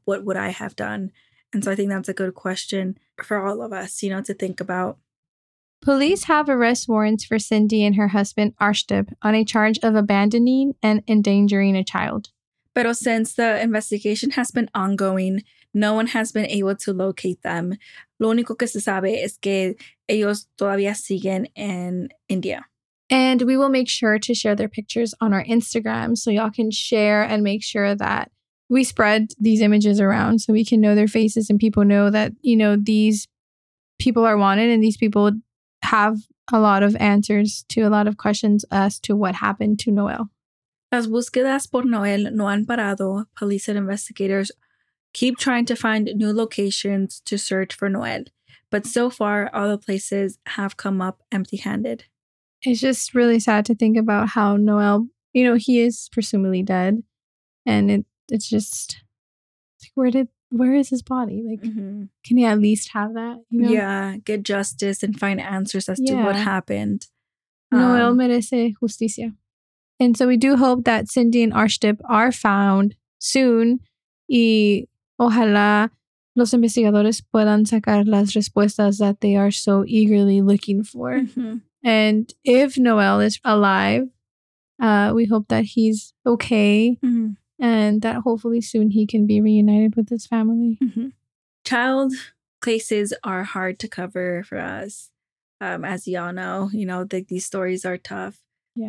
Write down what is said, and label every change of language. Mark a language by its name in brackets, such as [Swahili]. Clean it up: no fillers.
[English] What would I have done? And so I think that's a good question for all of us, you know, to think about. Police have arrest warrants for Cindy and her husband, Arshdib, on a charge of abandoning and endangering a child. [Spanish] Pero [English] since the investigation has been ongoing, no one has been able to locate them. [Spanish] Lo único que se sabe es que ellos todavía siguen en India. [English] And we will make sure to share their pictures on our Instagram so y'all can share and make sure that we spread these images around so we can know their faces and people know that, you know, these people are wanted and these people have a lot of answers to a lot of questions as to what happened to Noel. [Spanish] Las búsquedas por Noel no han parado. [English] Police and investigators keep trying to find new locations to search for Noel. But so far, all the places have come up empty-handed. It's just really sad to think about how Noel, you know, he is presumably dead. And it's just, where is his body? Like, mm-hmm. can he at least have that? You know? Yeah, get justice and find answers as yeah. to what happened. [Spanish] Noel merece justicia. [English] And so we do hope that Cindy and Arshdib are found soon. [Spanish] Y ojalá los investigadores puedan sacar las respuestas [English] that they are so eagerly looking for. Mm-hmm. And if Noel is alive, we hope that he's okay mm-hmm. and that hopefully soon he can be reunited with his family. Mm-hmm. Child cases are hard to cover for us. As y'all know, you know, these stories are tough. Yeah.